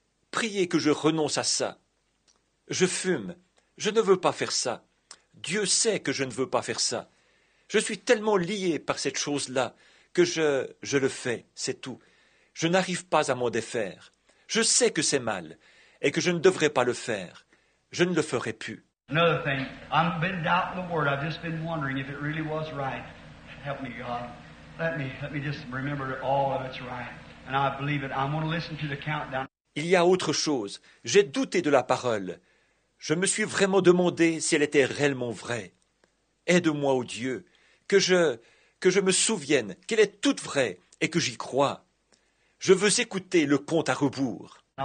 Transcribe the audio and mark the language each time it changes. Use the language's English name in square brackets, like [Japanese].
[French] Priez que je renonce à ça. Je fume. Je ne veux pas faire ça. Dieu sait que je ne veux pas faire ça. Je suis tellement lié par cette chose-là que je le fais, c'est tout. Je n'arrive pas à m'en défaire. Je sais que c'est mal et que je ne devrais pas le faire. Je ne le ferai plus. [English] Another thing, I've been doubting the word. I've just been wondering if it really was right. Help me, God. Let me just remember all of it's right. And I believe it. I'm going to listen to the countdown. [French] Il y a autre chose. J'ai douté de la parole. Je me suis vraiment demandé si elle était réellement vraie. Aide-moi, ô Dieu, que je me souvienne qu'elle est toute vraie et que j'y crois. Je veux écouter le compte à rebours.